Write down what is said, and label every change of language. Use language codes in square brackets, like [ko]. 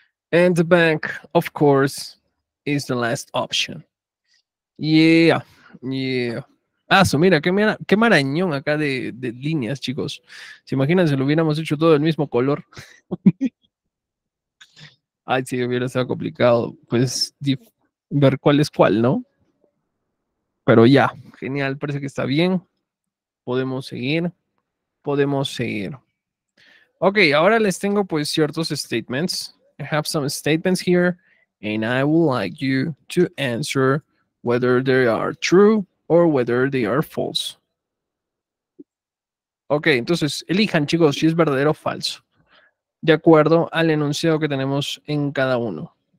[en] And the bank, of course, is the last option. Yeah, yeah. [es] Ah, so mira, qué marañón acá de líneas, chicos. ¿Se imaginan si lo hubiéramos hecho todo del mismo color? Ay, sí, hubiera sido complicado, pues, ver cuál es cuál, ¿no? Pero ya, genial, parece que está bien. Podemos seguir. Podemos seguir. Ok, ahora les tengo, pues, ciertos statements. [en] I have some statements here, and I would like you to answer whether they are true or whether they are false. [es] Ok, entonces, elijan, chicos, si es verdadero o falso, de acuerdo al enunciado que tenemos en cada uno.